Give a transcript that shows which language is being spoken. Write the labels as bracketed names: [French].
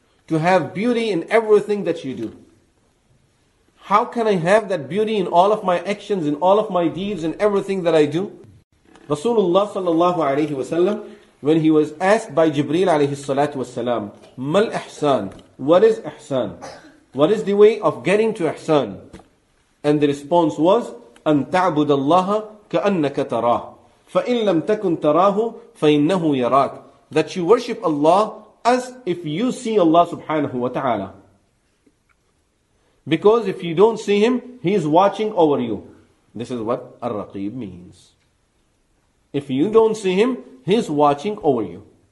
[English] To have beauty in everything that you do. How can I have that beauty in all of my actions, in all of my deeds, in everything that I do? Rasulullah sallallahu alayhi wa sallam, when he was asked by Jibreel alayhi salatu wa sallam, [Arabic] Mal ihsan? [English] What is ihsan? What is the way of getting to ihsan? And the response was, [Arabic] أن تعبد الله كأنك تراه فإن لم تكن تراه فإنه يراك. [English] That you worship Allah as if you see Allah subhanahu wa ta'ala. Because if you don't see Him, He is watching over you. This is what ar-Raqeeb means. If you don't see Him, He is watching over you.